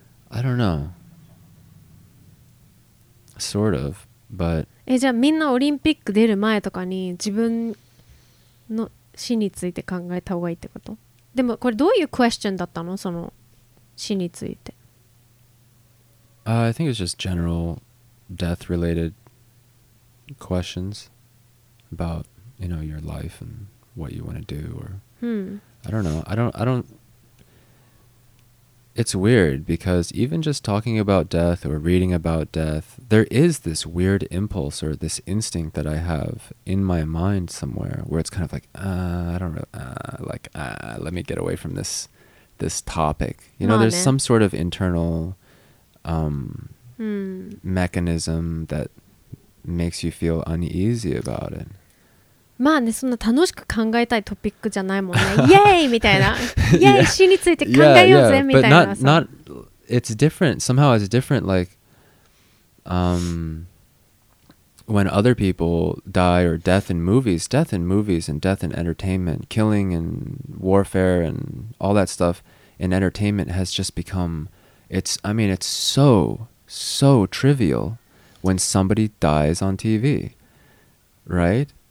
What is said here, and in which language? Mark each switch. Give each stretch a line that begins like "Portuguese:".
English: I don't know. Sort of, but...
Japanese: え、じゃあみんなオリンピック出る前とかに自分の死について考えた方がいいってこと？でもこれどういうクエスチョンだったの？その死について。
English: I think it's just general death related questions about, you know, your life and what you want to do or... I don't know. I don't... It's weird because even just talking about death or reading about death, there is this weird impulse or this instinct that I have in my mind somewhere where it's kind of like, let me get away from this topic. You know, there's some sort of internal mechanism that makes you feel uneasy about it.
Japanese: まあね、そんな楽しく考えたいトピックじゃないもんね。イエーイみたいな。イエーイ、死について考えようぜ、みたいなさ。
English: But not, it's different. Somehow it's different, like, when other people die or death in movies and death in entertainment, killing and warfare and all that stuff in entertainment has just become, it's so, so trivial when somebody dies on TV, right?